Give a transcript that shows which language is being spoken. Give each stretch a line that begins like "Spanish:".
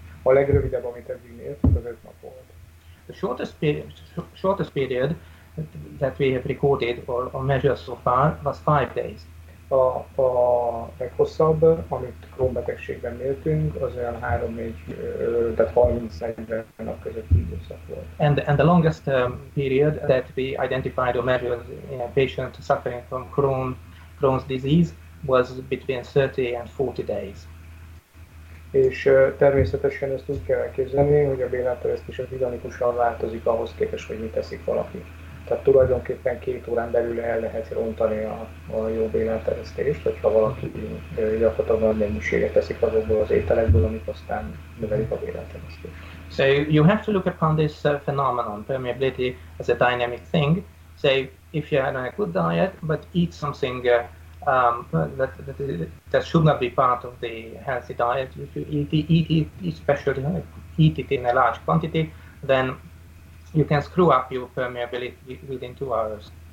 Hungarian: A legrövidebb, amit eddig mértünk, az 5 nap volt.
English: The shortest period that we have recorded or measured so far was 5 days.
Hungarian: A leghosszabb, amit krónbetegségben mértünk, az olyan 30-40 nap között időszak volt.
English: And the longest period that we identified or measured in a patient suffering from Crohn's disease was between 30 and 40 days.
Hungarian: És természetesen ezt úgy kell elképzelni, hogy a béláteresztés az dinamikusan változik ahhoz képest, hogy mit teszik valaki. Tehát tulajdonképpen 2 órán belül el lehet rontani a jó béláteresztést, hogyha valaki gyakorlatilag nagy mennyiséget teszik azokból az ételekből, amik aztán növelik a béláteresztést.
English: So you have to look upon this phenomenon, permeability, as a dynamic thing. Say, if you are on a good diet, but eat something that should not be part of the healthy diet. If you eat it in a large quantity, then you can screw up your permeability within 2 hours.